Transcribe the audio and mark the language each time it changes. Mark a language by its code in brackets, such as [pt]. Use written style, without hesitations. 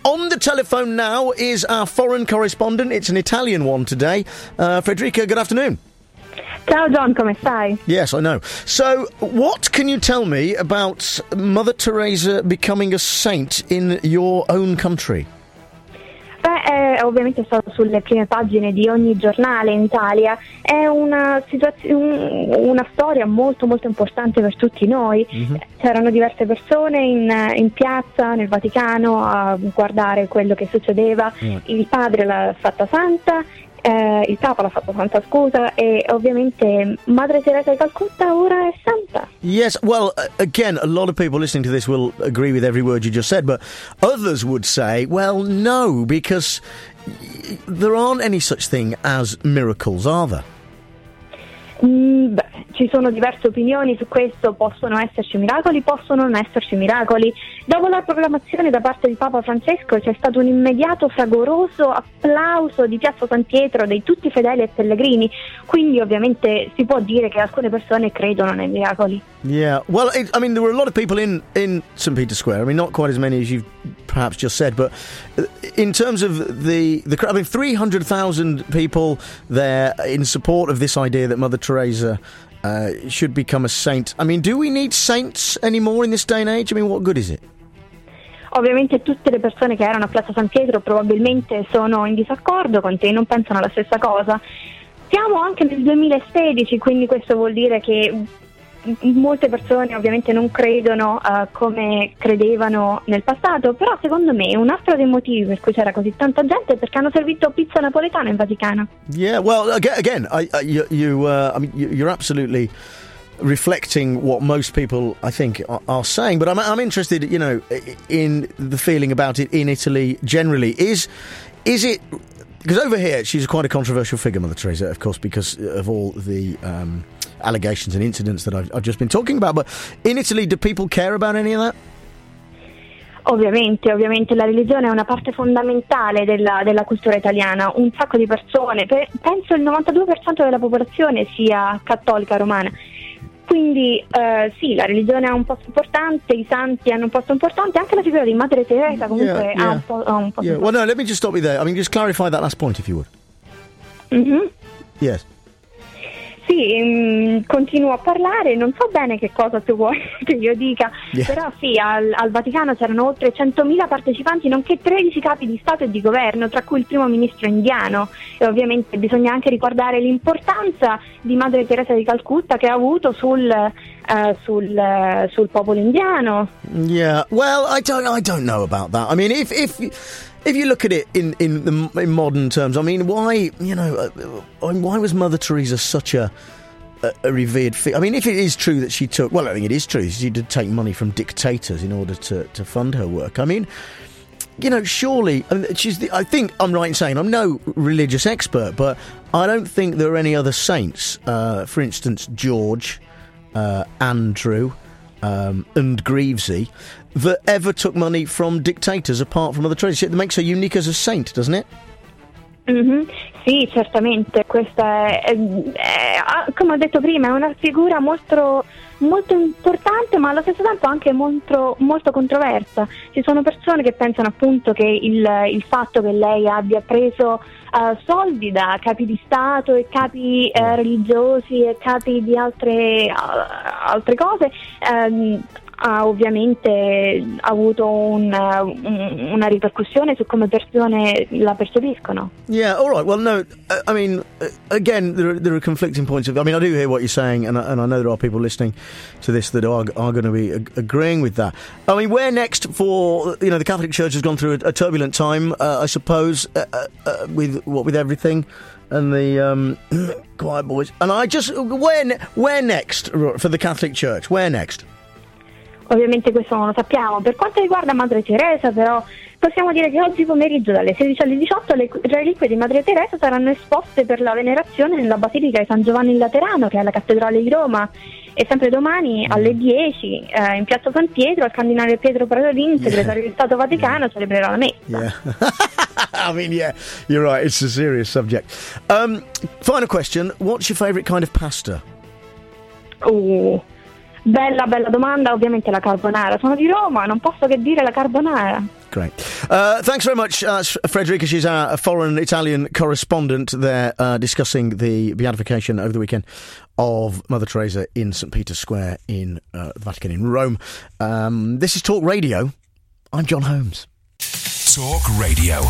[en] On the telephone now is our foreign correspondent. It's an Italian one today. Federica, good afternoon. [it] Ciao, John. Come stai? [en] Yes, I know. So, what can you tell me about Mother Teresa becoming a saint in your own country? [it] Beh, ovviamente è stato sulle prime pagine di ogni giornale in Italia. È una una storia molto, molto importante per tutti noi. Mm-hmm. C'erano diverse persone in piazza, nel Vaticano, a guardare quello che succedeva. Mm. Il padre l'ha fatta santa. Il Papa l'ha fatto santa, scusa, e ovviamente Madre Teresa di Calcutta ora è santa. [en] Yes, well, again, a lot of people listening to this will agree with every word you just said, but others would say, well, no, because there aren't any such thing as miracles, are there? [it] Ci sono diverse opinioni su questo. Possono esserci miracoli, possono non esserci miracoli. Dopo la proclamazione da parte di Papa Francesco c'è stato un immediato fragoroso applauso di Piazza San Pietro, di tutti i fedeli e pellegrini. Quindi ovviamente si può dire che alcune persone credono nei miracoli. [en] Yeah, well, I mean, there were a lot of people in St. Peter's Square. I mean, not quite as many as you've perhaps just said, but in terms of the crowd, I mean, 300,000 people there in support of this idea that Mother Teresa should become a saint. I mean, do we need saints anymore in this day and age? I mean, what good is it? [it] Ovviamente tutte le persone che erano a Piazza San Pietro probabilmente sono in disaccordo con te, non pensano la stessa cosa. Siamo anche nel 2016, quindi questo vuol dire che molte persone ovviamente non credono come credevano nel passato, però secondo me un altro dei motivi per cui c'era così tanta gente è perché hanno servito pizza napoletana in Vaticano. [en] Yeah, well, again you're absolutely reflecting what most people, I think, are saying, but I'm interested, you know, in the feeling about it in Italy generally. Is it, because over here she's quite a controversial figure, Mother Teresa, of course, because of all the allegations and incidents that I've just been talking about, but in Italy do people care about any of that? [it] Ovviamente la religione è una parte fondamentale della cultura italiana. Un sacco di persone, penso il 92% della popolazione sia cattolica romana. Quindi sì, la religione ha un posto importante, i santi hanno un posto importante, anche la figura di Madre Teresa comunque ha un posto importante. [en] Well, no, let me just stop you there. I mean, just clarify that last point if you would. Mm-hmm. Yes. [it] Sì, continuo a parlare, non so bene che cosa tu vuoi che io dica, yeah. Però sì, al Vaticano c'erano oltre 100.000 partecipanti, nonché 13 capi di Stato e di Governo, tra cui il primo ministro indiano. E ovviamente bisogna anche ricordare l'importanza di Madre Teresa di Calcutta che ha avuto sul popolo indiano. [en] Yeah, well, I don't know about that. I mean, if you look at it in modern terms, I mean, why was Mother Teresa such a revered figure? I mean, if it is true that she took, well, I think it is true, she did take money from dictators in order to fund her work. I mean, you know, surely, I think I'm right in saying I'm no religious expert, but I don't think there are any other saints, for instance, George, Andrew, and Greavesy, that ever took money from dictators apart from other traditions. It makes her unique as a saint, doesn't it? [it] Mm-hmm. Sì, certamente. Questa come ho detto prima, è una figura molto, molto importante, ma allo stesso tempo anche molto, molto controversa. Ci sono persone che pensano appunto che il fatto che lei abbia preso soldi da capi di Stato e capi religiosi e capi di altre cose ha ovviamente avuto una ripercussione su come persone la percepiscono. [en] Yeah, all right. Well, no, I mean, again, there are conflicting points of view. I mean, I do hear what you're saying, and I know there are people listening to this that are going to be agreeing with that. I mean, where next for, you know, the Catholic Church has gone through a turbulent time, I suppose, with everything and the quiet boys. And I just, where next for the Catholic Church? Where next? [it] Ovviamente questo non lo sappiamo. Per quanto riguarda Madre Teresa, però, possiamo dire che oggi pomeriggio dalle 16 alle 18 le reliquie di Madre Teresa saranno esposte per la venerazione nella Basilica di San Giovanni in Laterano, che è la cattedrale di Roma. E sempre domani alle 10 in piazza San Pietro il cardinale Pietro Parolin, segretario di Stato Vaticano, celebrerà la messa. [en] I mean, yeah, you're right, it's a serious subject. Final question, what's your favourite kind of pasta? [it] Oh, bella, bella domanda, ovviamente la carbonara. Sono di Roma, non posso che dire la carbonara. [en] Great. Thanks very much, Frederica. She's our foreign Italian correspondent there, discussing the beatification over the weekend of Mother Teresa in St. Peter's Square in the Vatican in Rome. This is Talk Radio. I'm John Holmes. Talk Radio.